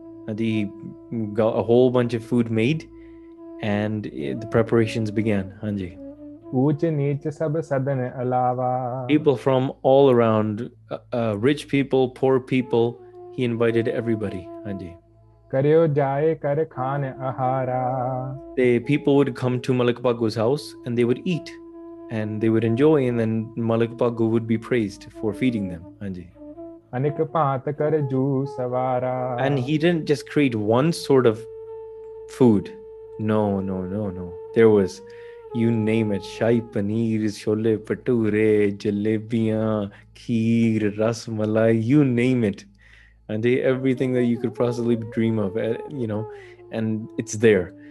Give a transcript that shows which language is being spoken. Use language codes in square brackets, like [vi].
[en] And he got a whole bunch of food made, and the preparations began. [pa] Hanji. Uch neech sab sadan alava. [en] People from all around, rich people, poor people, he invited everybody. [pa] Hanji. ਕਰਿਓ ਜਾਏ ਕਰ ਖਾਨ ਆਹਾਰਾ. [en] The people would come to Malik Bhago's house and they would eat and they would enjoy and then Malik Bhago would be praised for feeding them. [pa] ਹਾਂਜੀ. ਅਨੇਕ ਭਾਂਤ ਕਰ ਜੂ ਸਵਾਰਾ. [en] And he didn't just create one sort of food. No no no no there was you name it, shahi paneer, chole bhature, ਜਲੇਬੀਆਂ, kheer, ras malai, you name it. And everything that you could possibly dream of, and it's there.